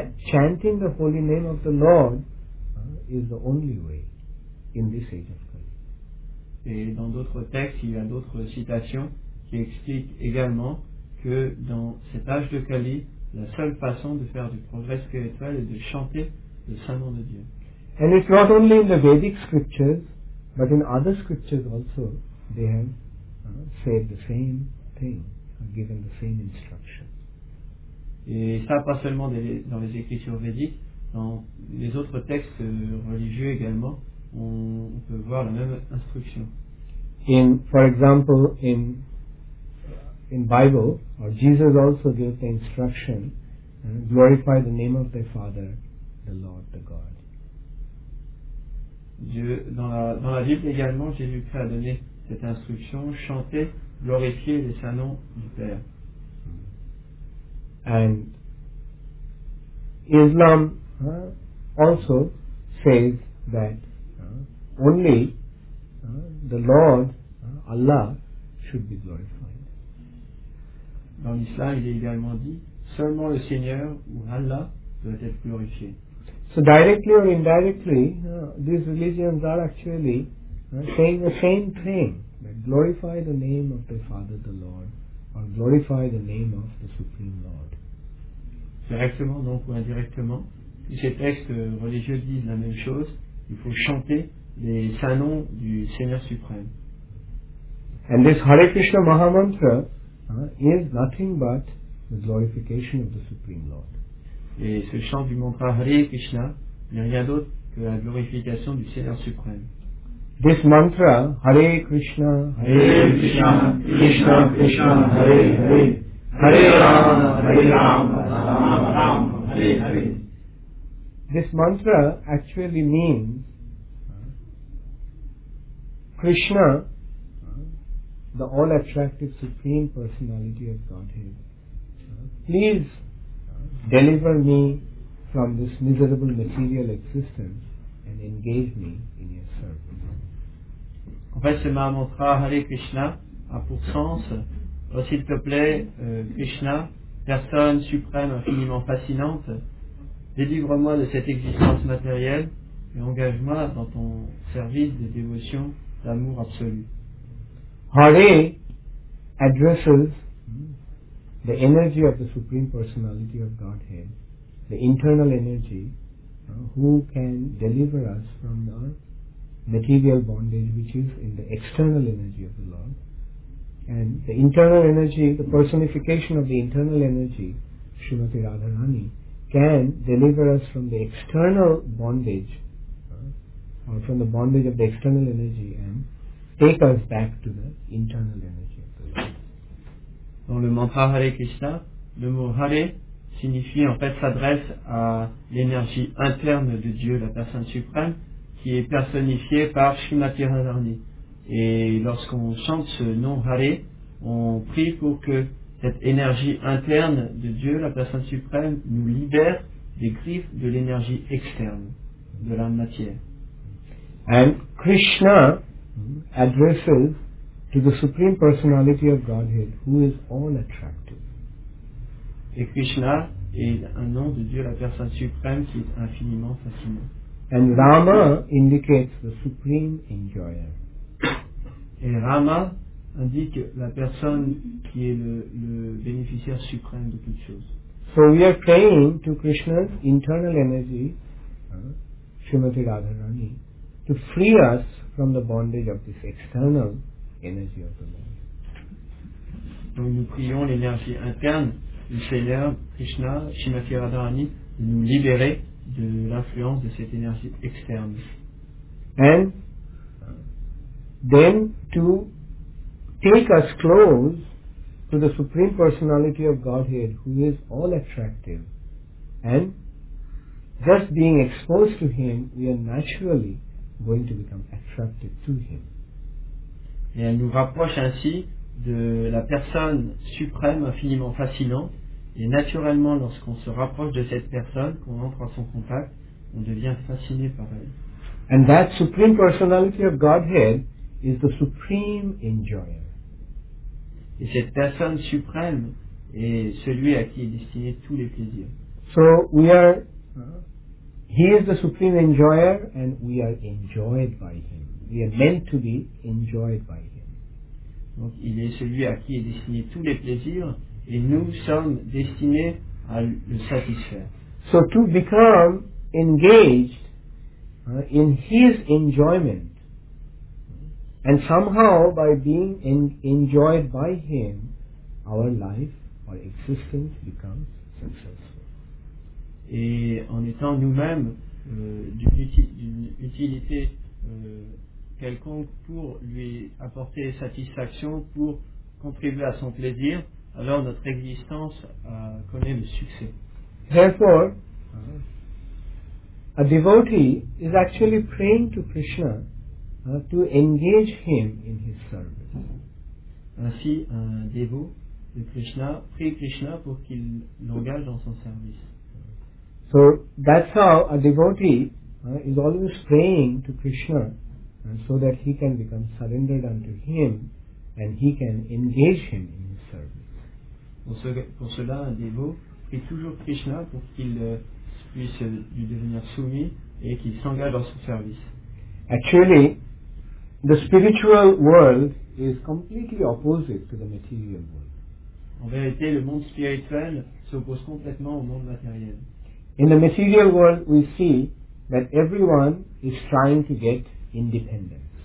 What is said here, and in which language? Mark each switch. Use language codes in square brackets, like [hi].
[en] Chanting the holy name of the Lord is the only way in this age of Kali. [fr] Et dans d'autres textes, il y a d'autres citations qui expliquent également que dans cet âge de Kali, la seule façon de faire du progrès spirituel est de chanter le saint nom de Dieu. [en] And it's not only in the Vedic scriptures, but in other scriptures also, they have said the same thing, given the same instruction. [fr] Et ça, pas seulement dans les écritures védiques, dans les autres textes religieux également, on peut voir la même instruction. [en] In, for example, in Bible, or Jesus also gave the instruction, glorify the name of thy Father, the Lord, the God. [fr] Dieu, dans la Bible également, Jésus-Christ a donné cette instruction, chanter, glorifier les saints noms du Père. [en] And Islam also says that only the Lord, Allah, should be glorified. [fr] Dans l'islam, il est également dit, seulement le Seigneur ou Allah doit être glorifié. [en] So directly or indirectly, these religions are actually saying the same thing, that glorify the name of the Father, the Lord, or glorify the name of the Supreme Lord. [fr] Directement donc ou indirectement, ces textes religieux disent la même chose, il faut chanter les saints noms du Seigneur Suprême. [en] And this Hare Krishna Mahamantra is nothing but the glorification of the Supreme Lord. [fr] Et ce chant du mantra Hare Krishna n'est rien d'autre que la glorification du Seigneur Suprême. [en] This mantra, Hare Krishna, [sa] Hare Krishna, Krishna Krishna, Hare Hare, Hare Rama, Hare Rama, Rama Rama, Hare Hare. [en] This mantra actually means Krishna, the all-attractive Supreme Personality of Godhead. Please deliver me from this miserable material existence and engage me in your service. [fr] En fait, ce mantra Hare Krishna a pour sens, oh, s'il te plaît, Krishna, personne suprême infiniment fascinante, délivre-moi de cette existence matérielle et engage-moi dans ton service de dévotion, d'amour absolu. [en] Hare addresses the energy of the Supreme Personality of Godhead, the internal energy, who can deliver us from our material bondage, which is in the external energy of the Lord. And the internal energy, the personification of the internal energy, Srimati Radharani, can deliver us from the external bondage, or from the bondage of the external energy, and take us back to the internal energy. [fr] Dans le mantra Hare Krishna, le mot Hare signifie en fait s'adresse à l'énergie interne de Dieu, la personne suprême, qui est personnifiée par Srimati Radharani. Et lorsqu'on chante ce nom Hare, on prie pour que cette énergie interne de Dieu, la personne suprême, nous libère des griffes de l'énergie externe, de la matière. [en] And Krishna addresses to the Supreme Personality of Godhead, who is all attractive. [fr] Et Krishna est un nom de Dieu, la personne suprême, qui est infiniment fascinant. [en] And Rama indicates the supreme enjoyer. [fr] Et Rama indique la personne qui est le bénéficiaire suprême de toutes choses. [en] So we are praying to Krishna's internal energy, Srimati Radharani, to free us from the bondage of this external energy of the Lord. [fr] Donc nous prions l'énergie interne du Seigneur Krishna, Srimati Radharani, de nous libérer de l'influence de cette énergie externe. [en] And then to take us close to the Supreme Personality of Godhead, who is all attractive. And just being exposed to Him, we are naturally going to become attracted to Him. [fr] Et elle nous rapproche ainsi de la personne suprême, infiniment fascinante, et naturellement, lorsqu'on se rapproche de cette personne, qu'on entre en son contact, on devient fasciné par elle. [en] And that Supreme Personality of Godhead is the supreme enjoyer. [fr] Et cette personne suprême est celui à qui est destiné tous les plaisirs. [en] So we are, he is the supreme enjoyer and we are enjoyed by him. We are meant to be enjoyed by him. [fr] Donc il est celui à qui est destiné tous les plaisirs et nous sommes destinés à le satisfaire. [en] So to become engaged in his enjoyment, and somehow, by being enjoyed by Him, our life, our existence becomes successful. [fr] Et en étant nous-mêmes d'une utilité quelconque pour lui apporter satisfaction, pour contribuer à son plaisir, alors notre existence connaît le succès. [en] Therefore, a devotee is actually praying to Krishna to engage him in his service. [fr] Ainsi, un dévot de Krishna prie Krishna pour qu'il l'engage dans son service. [en] So that's how a devotee is always praying to Krishna so that he can become surrendered unto him and he can engage him in his service. [fr] Pour cela, un dévot prie toujours Krishna pour qu'il puisse lui devenir soumis et qu'il s'engage dans son service. [en] Actually, the spiritual world is completely opposite to the material world. [fr] En vérité, le monde spirituel s'oppose complètement au monde matériel. [en] In the material world, we see that everyone is trying to get independence.